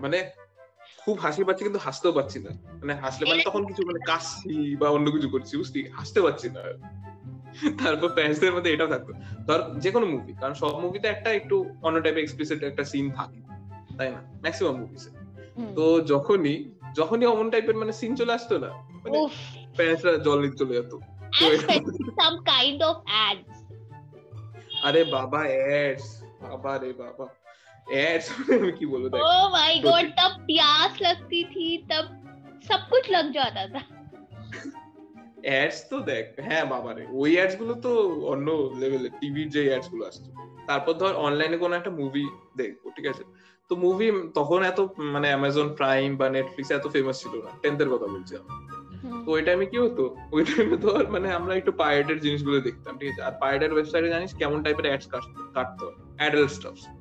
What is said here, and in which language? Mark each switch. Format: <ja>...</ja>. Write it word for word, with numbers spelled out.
<bn>মানে খুব হাসি পাচ্ছে কিন্তু হাসতেও পাচ্ছি না, মানে হাসলে মানে তখন কিছু মানে কাশছি বা অন্য কিছু করছি, বুঝলি, হাসতে পারছি না। তারপর প্যারেন্টসদের মধ্যে এটাও থাকতো ধর যে কোনো মুভি, কারণ সব মুভিতে একটা একটু অন্য টাইপের এক্সপ্লিসিট একটা সিন থাকে, তাই না, ম্যাক্সিমাম মুভিসে। হুম, তো যখনই যখনই অমন টাইপের মানে সিন চলে আসতো না, মানে উফ, প্যারেন্টসরা জল নিতে চলে যেত। তো</bn> <en>and</en> <bn>এরকম</bn> <en>especially some kind of ads.</en> <bn>আরে বাবা অ্যাডস, বাবা রে বাবা অ্যাডস আমি কি বলবো, দেখ</bn> <en>Oh my god,</en> <bn>সত্যি</bn> <hi>तब प्यास लगती थी, तब सब कुछ लग जाता था।</hi> <bn>অ্যাডস তো দেখ, হ্যাঁ বাবারে ওই অ্যাডস গুলো তো অন্য লেভেলে, টিভির যে অ্যাডস গুলো আসতো। তারপর ধর অনলাইনে কোনো একটা মুভি দেখবো, ঠিক আছে, তো মুভি তখন এত মানে অ্যামাজন প্রাইম বা নেটফ্লিক্স এত ফেমাস ছিল না, টেন্থের কথা বলছি আমি। তো হুম, ওই টাইমে কি হতো, ওই টাইমে ধর মানে আমরা একটু পাইরেটেড জিনিসগুলো দেখতাম, ঠিক আছে, আর পাইরেটেড ওয়েবসাইটে জানিস কেমন টাইপের অ্যাডস কাটতো, অ্যাডাল্ট স্টাফ।</bn>